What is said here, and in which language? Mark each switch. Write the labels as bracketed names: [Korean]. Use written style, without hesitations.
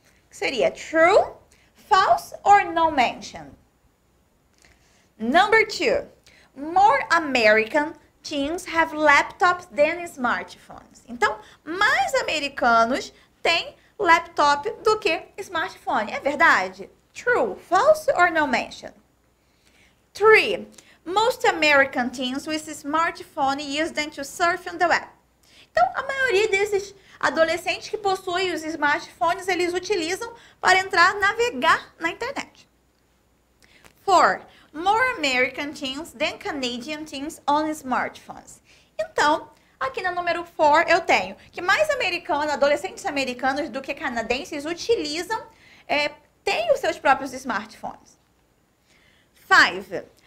[Portuguese] Seria [English] true, false or not mentioned? Number two. More American teens have laptops than smartphones. [Portuguese] Então, mais americanos tem laptop do que smartphone. É verdade? [English] True, false or not mentioned? 3. Most American teens with smartphone use them to surf on the web. [Portuguese] Então, a maioria desses adolescentes que possuem os smartphones, eles utilizam para entrar, navegar na internet. 4. [English] More American teens than Canadian teens on smartphones. [Portuguese] Então, aqui no número 4 eu tenho que mais americanos, adolescentes americanos do que canadenses utilizam, têm os seus próprios smartphones. 5.